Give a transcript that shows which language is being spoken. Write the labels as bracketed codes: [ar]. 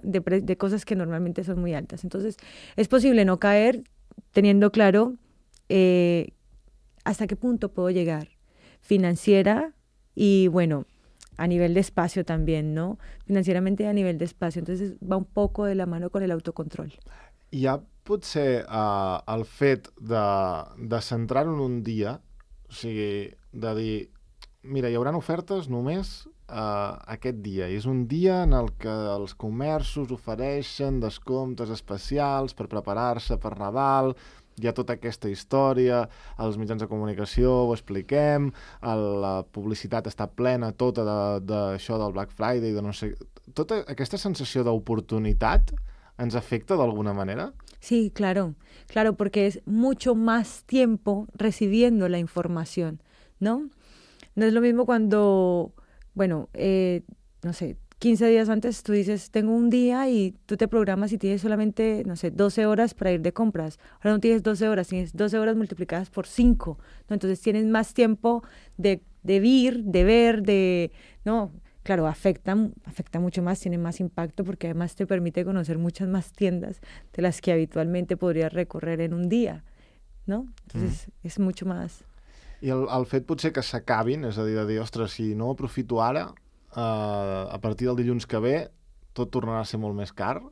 [es] De cosas que normalmente son muy altas. Entonces, es posible no caer teniendo claro hasta qué punto puedo llegar financiera y, bueno, a nivel de espacio también, ¿no? Financieramente a nivel de espacio. Entonces, va un poco de la mano con el autocontrol. [ca] Ja potser el fet de centrar-ho en un dia, o sigui, de dir, mira, hi haurà ofertes només... aquest dia. I és un dia en el que els comerços ofereixen descomptes especials per preparar-se per Nadal. Hi ha tota aquesta història, els mitjans de comunicació ho expliquem, la publicitat està plena tota d'això del Black Friday, de no sé... Tota aquesta sensació d'oportunitat ens afecta d'alguna manera? [es] Sí, claro, porque es mucho más tiempo recibiendo la información, ¿no? No es lo mismo cuando... Bueno, no sé, 15 días antes tú dices, tengo un día y tú te programas y tienes solamente, no sé, 12 horas para ir de compras. Ahora no tienes 12 horas, tienes 12 horas multiplicadas por 5, ¿no? Entonces tienes más tiempo de ver, ¿no? Claro, afecta mucho más, tiene más impacto porque además te permite conocer muchas más tiendas de las que habitualmente podrías recorrer en un día, ¿no? Entonces es mucho más... [ca] I el fet potser que s'acabin, és a dir, ostres, si no aprofito ara, a partir del dilluns que ve, tot tornarà a ser molt més car?